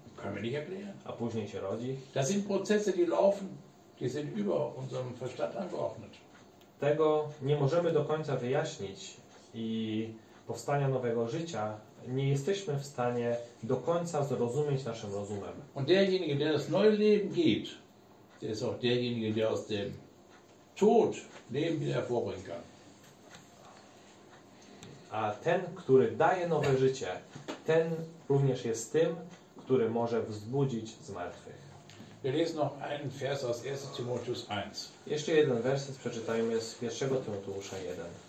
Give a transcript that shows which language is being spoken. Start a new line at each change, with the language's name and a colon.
German: Können wir nicht erklären.
Polish: A później się rodzi?
German: Das sind Prozesse, die laufen. Die sind über unserem Verstand angeordnet.
Polish: Tego nie możemy do końca wyjaśnić i powstania nowego życia nie jesteśmy w stanie do końca zrozumieć naszym rozumem.
German: Und derjenige, der das neue Leben gibt, der ist auch derjenige, der aus dem Tod Leben wieder hervorbringen kann.
Polish: A ten, który daje nowe życie, ten również jest tym, który może wzbudzić zmartwych.
German: Wir lesen noch einen Vers aus 1. Timotheus 1.
Polish: Jeszcze jeden werset przeczytajmy z 1. Timoteusza 1.